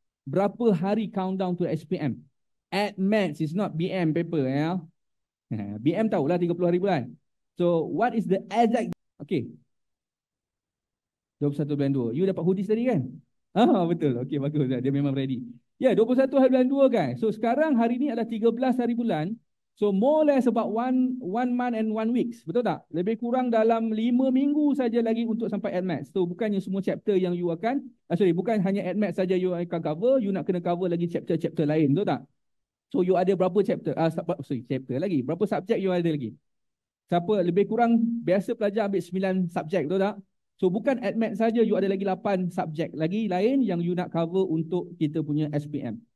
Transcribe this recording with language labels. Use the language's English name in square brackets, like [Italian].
[Malay] Berapa hari [English] countdown to SPM? At max, it's not BM paper. Ya. Yeah? [Malay] BM tahulah 30 hari bulan. [English] So what is the exact... [Malay] Okay. 21 bulan 2. You dapat hoodie tadi kan? Betul. Okay, bagus. Dia memang ready. Ya, yeah, 21 hari bulan 2 kan? So sekarang hari ni adalah 13 hari bulan. [English] So more or less about one month and 1 weeks. [Malay] Betul tak? Lebih kurang dalam 5 minggu saja lagi untuk sampai AdMat. So bukannya semua chapter yang you akan, bukan hanya AdMat saja you akan cover, you nak kena cover lagi chapter-chapter lain. Betul tak? So you ada berapa chapter? Chapter lagi. Berapa subjek you ada lagi? Siapa? Lebih kurang biasa pelajar ambil 9 subjek. Betul tak? So bukan AdMat saja, you ada lagi 8 subjek lagi lain yang you nak cover untuk kita punya SPM.